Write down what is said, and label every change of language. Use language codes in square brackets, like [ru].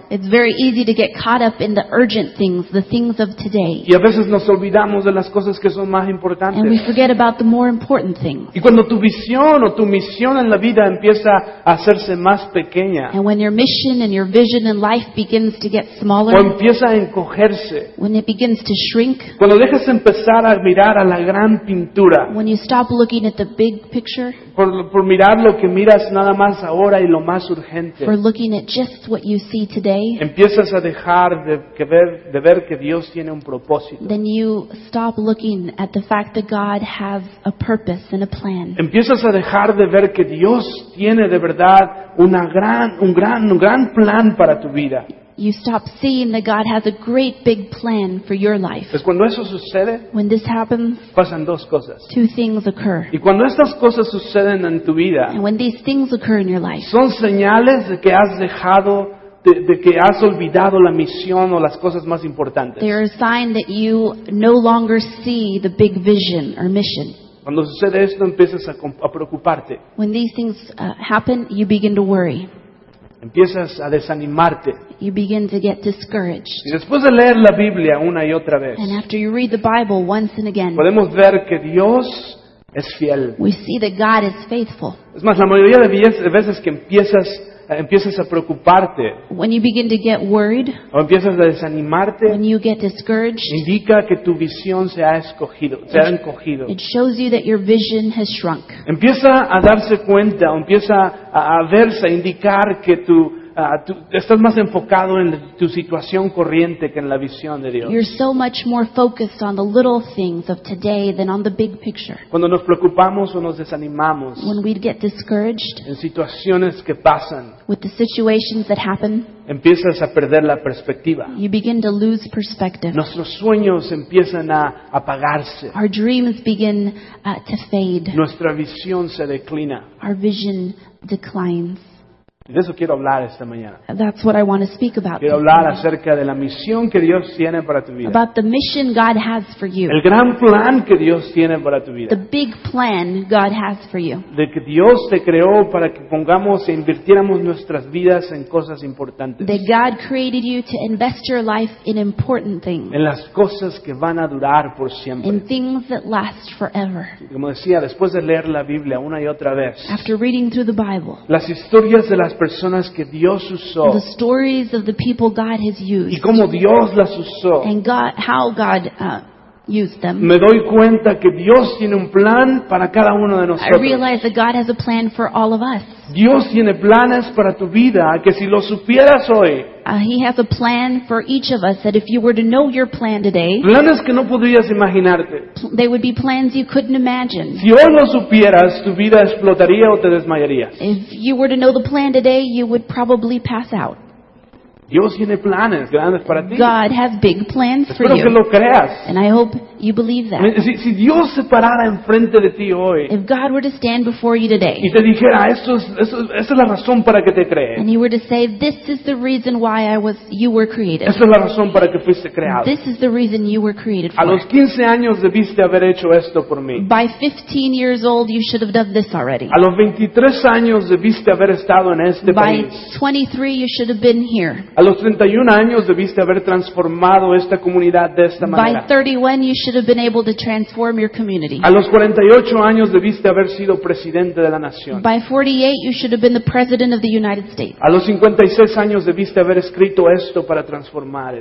[en] It's very easy to get caught up in the urgent things, the things of today. [es] Y a veces nos olvidamos de las cosas que son más importantes. [en] And we forget about the more important things. [es] Y cuando tu visión o tu misión en la vida empieza a hacerse más pequeña. [en] And when your mission and your vision in life begins to get smaller. [es] O empieza a encogerse. [en] When it begins to shrink. [es] Cuando dejas empezar a mirar a la gran pintura. [en] When you stop looking at the big picture. [es] Por mirar lo que miras nada más ahora y lo más urgente. [en] For looking at just what you see today, [es] empiezas a dejar de ver que Dios tiene un propósito. [en] Then you stop looking at the fact that God has a purpose and a plan. [es] Empiezas a dejar de ver que Dios tiene de verdad un gran plan para tu vida. [en] You stop seeing that God has a great big plan for your life. [es] Pues cuando eso sucede, [en] when this happens, [es] pasan dos cosas. [en] Two things occur. [es] Y cuando estas cosas suceden en tu vida, [en] and when these things occur in your life, [es] son señales de que has dejado, de que has olvidado la misión o las cosas más importantes. [en] They are a sign that you no longer see the big vision or mission. [es] Cuando sucede esto, empiezas a preocuparte. [en] When these things happen, you begin to worry. [es] Empiezas a desanimarte. [en] You begin to get discouraged. [es] Y después de leer la Biblia una y otra vez. [en] And after you read the Bible once and again. [es] Podemos ver que Dios es fiel. [en] We see that God is faithful. [es] Es más, la mayoría de veces que empiezas a preocuparte. [en] When you begin to get worried. [es] O empiezas a desanimarte. [en] When you get discouraged. [es] Indica que tu visión se ha encogido. [en] It shows you that your vision has shrunk. [es] Empieza a darse cuenta, empieza a indicar que tú estás más enfocado en tu situación corriente que en la visión de Dios. [en] You're so much more focused on the little things of today than on the big picture. [es] Cuando nos preocupamos o nos desanimamos. [en] When we get discouraged. [es] En situaciones que pasan. [en] With the situations that happen. [es] Empiezas a perder la perspectiva. [en] You begin to lose perspective. [es] Nuestros sueños empiezan a apagarse. [en] Our dreams begin to fade. [es] Nuestra visión se declina. [en] Our vision declines. [es] Y de eso quiero hablar esta mañana. [en] That's what I want to speak about. [es] Quiero hablar acerca de la misión que Dios tiene para tu vida. [en] About the mission God has for you. [es] El gran plan que Dios tiene para tu vida. [en] The big plan God has for you. [es] De que Dios te creó para que pongamos e invirtiéramos nuestras vidas en cosas importantes. [en] That God created you to invest your life in important things. [es] En las cosas que van a durar por siempre. [en] In things that last forever. [es] Como decía, después de leer la Biblia una y otra vez. [en] After reading through the Bible. [es] Las historias de las personas que Dios usó. [en] The stories of the people God has used. [es] Y cómo Dios las usó. [en] And God, how God used them. [es] Me doy cuenta que Dios tiene un plan para cada uno de nosotros. [en] I realize that God has a plan for all of us. [es] Dios tiene planes para tu vida que si lo supieras hoy. [en] He has a plan for each of us that if you were to know your plan today. [es] Planes que no podrías imaginarte. [en] They would be plans you couldn't imagine. [es] Si hoy lo supieras, tu vida explotaría o te desmayarías. [en] If you were to know the plan today, you would probably pass out. [es] Dios tiene planes grandes para ti. [en] God has big plans for you. [es] Espero que lo creas. [en] And I hope you believe that. [es] Si Dios se parara enfrente de ti hoy, [en] if God were to stand before you today, [es] y te dijera, esa es la razón para que te cree. [en] And he were to say, this is the reason why you were created. [es] Esa es la razón para que fuiste creado. [en] This is the reason you were created for. [es] A los 15 años debiste haber hecho esto por mí. [en] By 15 years old, you should have done this already. [es] A los 23 años debiste haber estado en este [en] By [es] país. [en] By 23, you should have been here. [es] A los 31 años debiste haber transformado esta comunidad de esta manera. [en] By 31, you should have been able to transform your community. [es] A los 48 años debiste haber sido presidente de la nación. [en] By 48, you should have been the president of the United States. [es] A los 56 años debiste haber escrito esto para transformar.